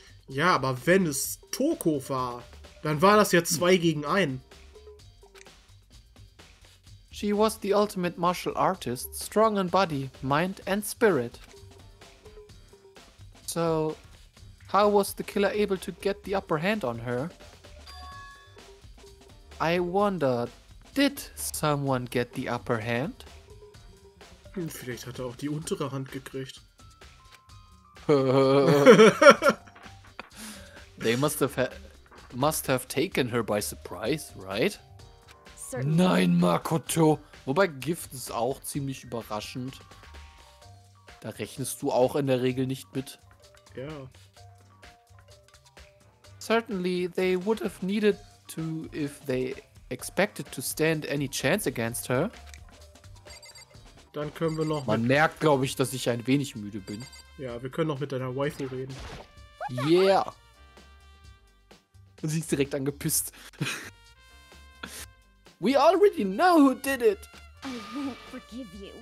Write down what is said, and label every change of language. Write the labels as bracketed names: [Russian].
[German] Ja, aber wenn es Toko war, dann war das ja 2-1. [English] She was the ultimate martial artist, strong in body, mind and spirit. So, how was the killer able to get the upper hand on her? I wonder, did someone get the upper hand? [German] Vielleicht hat er auch die untere Hand gekriegt. [English] They must have taken her by surprise, right? Certainly. [German] Nein, Makoto! Wobei Gift ist auch ziemlich überraschend. Da rechnest du auch in der Regel nicht mit. Ja. Yeah. [English] Certainly, they would have needed to if they expected to stand any chance against her. [German] Dann können wir noch. Man merkt, glaube ich, dass ich ein wenig müde bin. Ja, wir können noch mit deiner Waifu reden. Yeah! Und sie ist direkt angepisst. [English] We already know who did it! I won't forgive you.